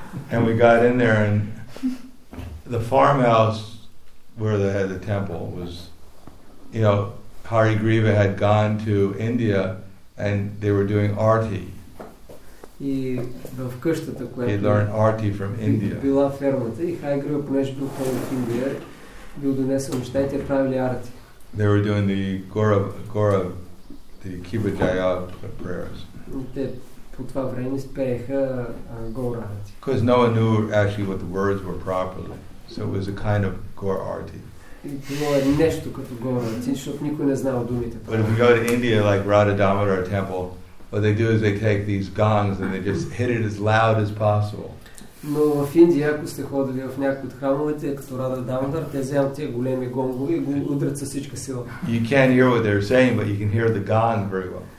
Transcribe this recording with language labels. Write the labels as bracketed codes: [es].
[en] And we got in there, and the farmhouse where they had the temple was, you know, Hari Griva had gone to India and they were doing arti. He learned arti from India. [bg] Била фермата и Хари Грива, понеже бил ходил в Индия, бил донесъл неща и те правили арти. [en] They were doing the Gora, the Kibajaya prayers. [bg] Те по това време спееха Gora arti. [en] Because no one knew actually what the words were properly. So it was a kind of Gora arti. [bg] Било нещо като Gora arti, защото никой не знал думите. [en] But if you go to India, like Radha Damodar temple, what they do is they take these gongs and they just hit it as loud as possible. [bg] Но в Индия, ако сте ходили в някои от храмовете, като Радха Дамодар, те вземат тия големи гонгове и го удрят със всичка сила. [en] You can't hear what they're saying, but you can hear the gong very well.